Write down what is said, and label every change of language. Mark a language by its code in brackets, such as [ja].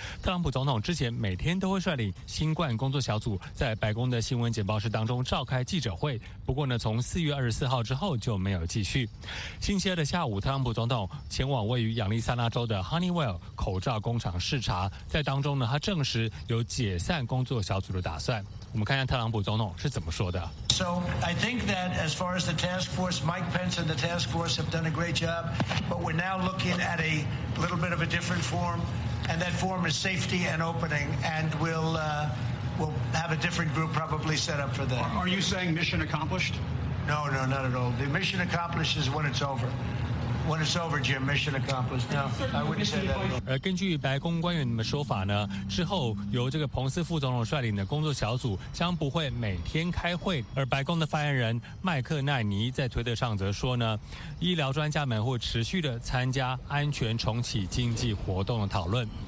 [zh] 特朗普总统之前每天都会率领新冠工作小组在白宫的新闻简报室当中召开记者会，不过呢，从4月24号之后就没有继续。星期二的下午，特朗普总统动前往位于亚利桑那州的 Honeywell 口罩工厂视察，在当中呢，他证实有解散工作小组的打算。我们看一下特朗普总统是怎么说的。 [en] So I think that as far as the task force, Mike Pence and the task force have done a great job, but we're now looking at a little bit of a different form, and that form is safety and opening, and we'll have a different group probably set up for that. Are you saying mission accomplished? No, not at all. The mission accomplished is when it's over. When it's over, Jim, mission accomplished. No, I wouldn't say that at all. [zh] 而根据白宫官员的说法呢，之后由这个彭斯副总统率领的工作小组将不会每天开会。而白宫的发言人麦克奈尼在推特上则说呢，医疗专家们会持续的参加安全重启经济活动的讨论。